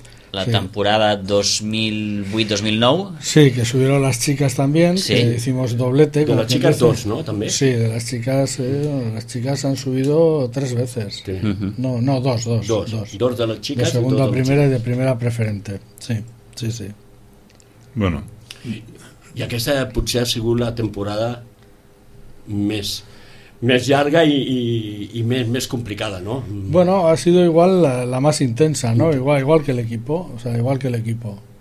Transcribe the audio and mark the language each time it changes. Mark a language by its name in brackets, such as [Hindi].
[Spanish] La temporada 2008-2009. Sí, que subieron las chicas también, sí. Que hicimos doblete. De las chicas dos, ¿no? También. Sí, de las chicas, las chicas han subido tres veces. Sí. Uh-huh. No, dos. Dos de las chicas. De segunda a primera y de primera preferente. Sí. Bueno. [Catalan] Y aquesta potser ha sigut la temporada més... Més llarga y més complicada, ¿no? [Spanish] Bueno, ha sido igual la más intensa, ¿no? Igual que el equipo, o sea, igual que el equipo.